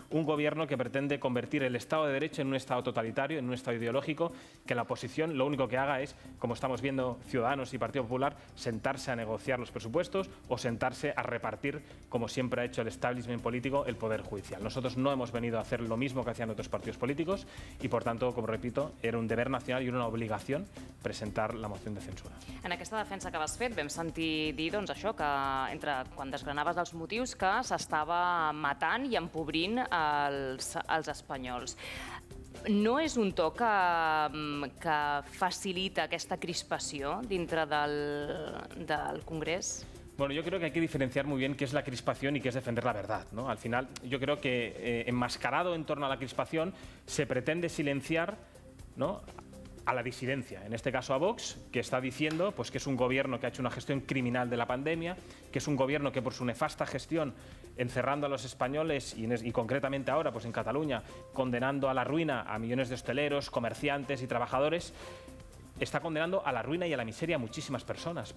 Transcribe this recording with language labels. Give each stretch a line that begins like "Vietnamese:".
Spanish: Un gobierno que pretende convertir el Estado de Derecho en un Estado totalitario, en un Estado ideológico, que la oposición lo único que haga es, como estamos viendo Ciudadanos y Partido Popular, sentarse a negociar los presupuestos o sentarse a repartir, como siempre ha hecho el establishment político, el Poder Judicial. Nosotros no hemos venido a hacer lo mismo que hacían otros partidos políticos y, por tanto, como repito, era un deber nacional y una obligación presentar la moción de censura.
Catalan: En aquesta defensa que vas fet, vam sentir dir, doncs, això, que entre quan desgranaves els motius, que s'estava matant i empobrint els espanyols. No és un to que facilita aquesta crispació dintre del Congrés?
Spanish: Bueno, yo creo que hay que diferenciar muy bien qué es la crispación y qué es defender la verdad, ¿no? Al final, yo creo que enmascarado en torno a la crispación se pretende silenciar, ¿no?, a la disidencia, en este caso a Vox, que está diciendo pues, que es un gobierno que ha hecho una gestión criminal de la pandemia, que es un gobierno que por su nefasta gestión, encerrando a los españoles y concretamente ahora pues, en Cataluña, condenando a la ruina a millones de hosteleros, comerciantes y trabajadores, está condenando a la ruina y a la miseria a muchísimas personas.